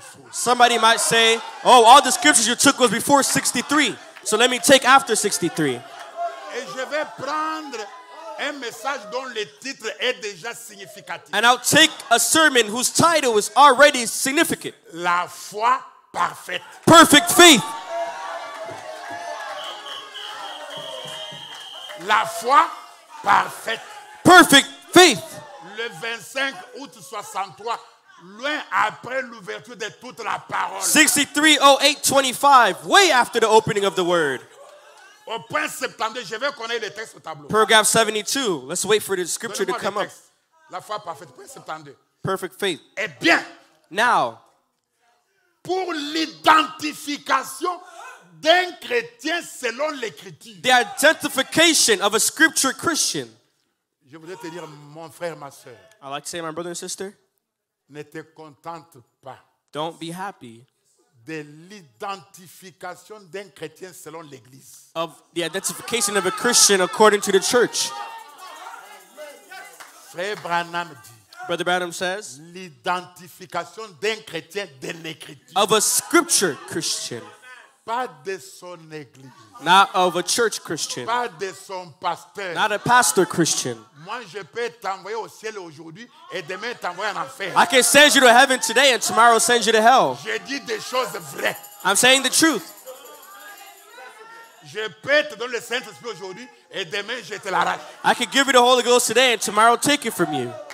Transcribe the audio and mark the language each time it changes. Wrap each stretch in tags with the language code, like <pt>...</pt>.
<en>Somebody might say, oh, all the scriptures you took was before 63. So let me take after 63.</en> <fr>Et je vais prendre un message dont le titre est déjà significatif.</fr> <en>And I'll take a sermon whose title is already significant.</en> <fr>La foi parfaite.</fr> <en>Perfect faith.</en> <fr>La foi parfaite.</fr> <en>Perfect faith.</en> <fr>Le 25 août 63, loin après l'ouverture de toute la parole.</fr> <en>63-08-25, way after the opening of the word.</en> <fr>Au point 70, je vais connaître le texte au tableau.</fr> <en>Paragraph 72, let's wait for the scripture to come up.</en> <fr>La foi parfaite, point 72.</fr> <en>Perfect faith.</en> <fr>Eh bien,</fr> <en>now,</en> <fr>pour l'identification d'un chrétien selon l'écriture.</fr> <en>The identification of a scripture Christian.</en> <fr>Je voudrais te dire, mon frère, ma sœur.</fr> <en>I like to say, my brother and sister.</en> <fr>Ne te contente pas.</fr> <en>Don't be happy.</en> <fr>De l'identification d'un chrétien selon l'Église.</fr> <en>Of the identification of a Christian according to the church.</en> <fr>Frère Branham dit.</fr> <en>Brother Branham says.</en> <fr>L'identification d'un chrétien de l'Écriture.</fr> <en>Of a scripture Christian.</en> <fr>Pas de son église.</fr> <en>Not of a church Christian.</en> <fr>Pas de son pasteur.</fr> <en>Not a pastor Christian.</en> <fr>Moi, je peux t'envoyer au ciel aujourd'hui et demain t'envoyer en enfer.</fr> <en>I can send you to heaven today and tomorrow send you to hell.</en> <fr>Je dis des choses vraies.</fr> <en>I'm saying the truth.</en> <fr>Je peux te donner le Saint-Esprit aujourd'hui et demain je te l'arrache.</fr> <en>I can give you the Holy Ghost today and tomorrow take it from you.</en>